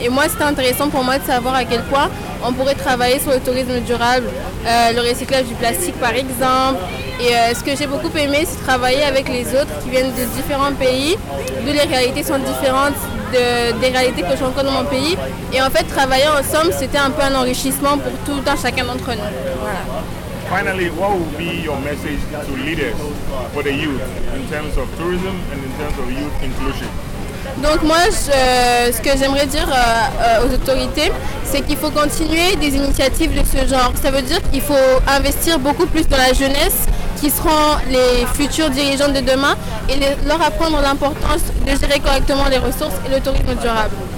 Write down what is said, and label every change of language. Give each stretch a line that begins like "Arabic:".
French: Et moi, c'était intéressant pour moi de savoir à quel point on pourrait travailler sur le tourisme durable, le recyclage du plastique par exemple. Et ce que j'ai beaucoup aimé, c'est travailler avec les autres qui viennent de différents pays, d'où les réalités sont différentes des réalités que je rencontre dans mon pays. Et en fait, travailler ensemble, c'était un peu un enrichissement pour tout un chacun d'entre nous. Voilà.
English: Finally, what would be your message to leaders for the youth in terms of tourism and in terms of youth inclusion?
French: Donc moi, ce que j'aimerais dire aux autorités, c'est qu'il faut continuer des initiatives de ce genre. Ça veut dire qu'il faut investir beaucoup plus dans la jeunesse, qui seront les futurs dirigeants de demain, et leur apprendre l'importance de gérer correctement les ressources et le tourisme durable.